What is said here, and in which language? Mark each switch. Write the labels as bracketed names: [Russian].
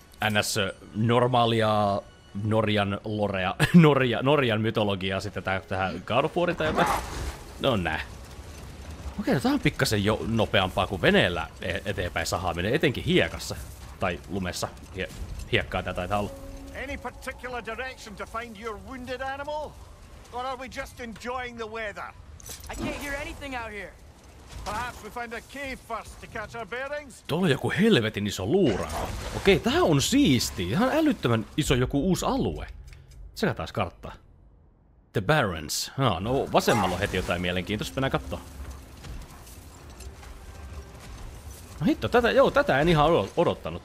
[Finnish] NS normaalia Norjan lorea, Norjan mytologiaa sitten tähän God of Warin tai jotain. No nää. Okei, no tää on pikkasen jo nopeampaa kuin veneellä eteenpäin sahaaminen, etenkin hiekassa. Tai lumessa. Hiekkaa tää taitaa olla. [English] Any particular direction to find your wounded animal? Or are we just enjoying the weather? I can't hear anything out here. Perhaps we find a cave first to catch our bearings. [Finnish] Tuolla on joku helvetin iso luurako. Okei, tää on siisti. Ihan älyttömän iso joku uusi alue. Sekä taas kartta. [English] The Barrens. [Finnish] Ah, no vasemmalla on heti jotain mielenkiintoista. Mennään kattoo. No hitto, tätä en ihan odottanut.